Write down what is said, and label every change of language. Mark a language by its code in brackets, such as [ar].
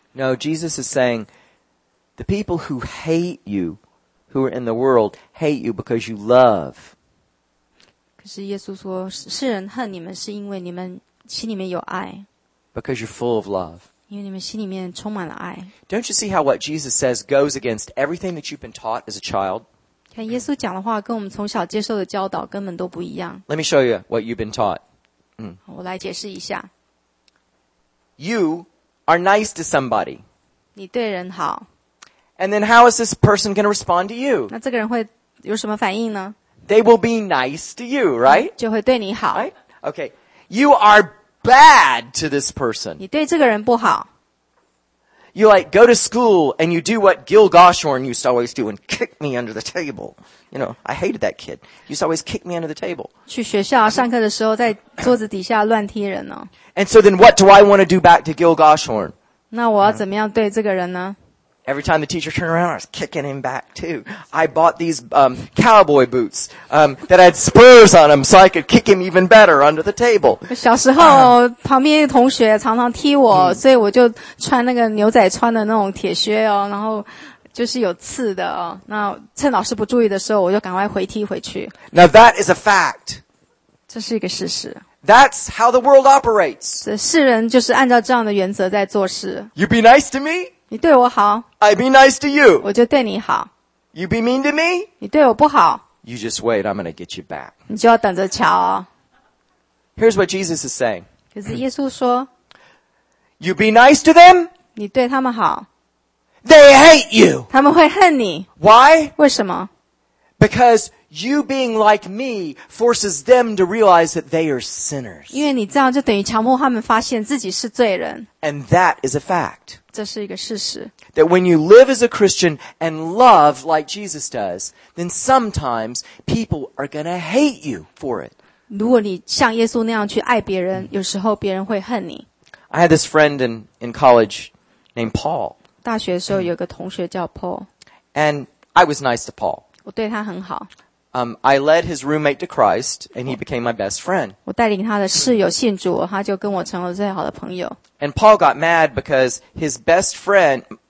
[en] No, Jesus is saying, the people who hate you, who are in the world, hate you because you love. [zh] 是耶稣说，世人恨你们，是因为你们心里面有爱。 [en] Because you're full of love. [zh] 因为你们心里面充满了爱。 [en] Don't you see how what Jesus says goes against everything that you've been taught as a child? [zh] 看耶稣讲的话，跟我们从小接受的教导根本都不一样。 [en] Let me show you what you've been taught. [zh] 我来解释一下。 [en] You are nice to somebody. [zh] 你对人好。 [en] And then how is this person going to respond to you? [zh] 那这个人会有什么反应呢？ [en] They will be nice to you, right? [zh] 就会对你好。 [en] Right? Okay. You are bad to this person. [zh] 你对这个人不好。 [en] You like go to school and you do what Gil Goshorn used to always do and kick me under the table. You know, I hated that kid. He used to always kick me under the table. [zh] 去学校上课的时候在桌子底下乱踢人哦。 [en] And so then what do I want to do back to Gil Goshorn? [zh] 那我要怎么样对这个人呢？ [en] Every time the teacher turned around, I was kicking him back too. I bought these cowboy boots that had spurs on them, so I could kick him even better under the table. [zh] 小时候，旁边同学常常踢我，所以我就穿那个牛仔穿的那种铁靴哦，然后就是有刺的哦。那趁老师不注意的时候，我就赶快回踢回去。 [en] Now that is a fact. [zh] 这是一个事实。 [en] That's how the world operates. [zh] 这世人就是按照这样的原则在做事。 [en] You be nice to me. [zh] 你对我好 [en] I be nice to you. [zh] 我就对你好 [en] You be mean to me. [zh] 你对我不好 [en] You just wait, I'm going to get you back. [zh] 你就要等着瞧哦 [en] Here's what Jesus is saying. [zh] 可是耶稣说 [en] You be nice to them. [zh] 你对他们好 [en] They hate you. [zh] 他们会恨你 [en] Why? [zh] 为什么 [en] Because you being like me forces them to realize that they are sinners. [zh] 因为你这样就等于强迫他们发现自己是罪人 [en] And that is a fact. [zh] 这是一个事实。 [en] That when you live as a Christian and love like Jesus does, then sometimes people are going to hate you for it. [zh] 如果你像耶稣那样去爱别人，有时候别人会恨你。 [en] I had this friend in college named Paul. [zh] 大学的时候有个同学叫 Paul. [en] And I was nice to Paul. [zh] 我对他很好。 [en] I led his roommate to Christ, and he became my best friend. [zh] 我带领他的室友信主，他就跟我成了最好的朋友。 [en] And Paul got mad because his best friend,